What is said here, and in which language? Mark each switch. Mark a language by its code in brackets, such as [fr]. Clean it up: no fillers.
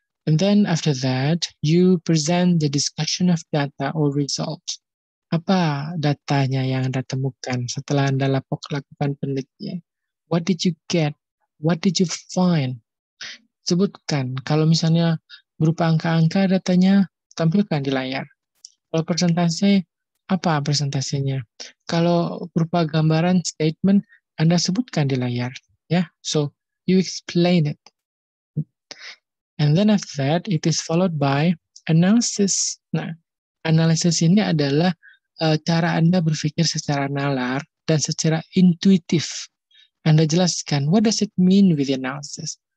[en] And then after that, you present the discussion of data or results. [id] Apa datanya yang Anda temukan setelah Anda lakukan penelitian? [en] What did you get? What did you find? [id] Sebutkan, kalau misalnya berupa angka-angka datanya, tampilkan di layar. Kalau presentasi, apa presentasinya? Kalau berupa gambaran statement, Anda sebutkan di layar. Yeah? [en] So, you explain it. And then after that, it is followed by analysis. [id] Nah, analysis ini adalah cara Anda berpikir secara nalar dan secara intuitif. Anda jelaskan, [en] what does it mean with the analysis?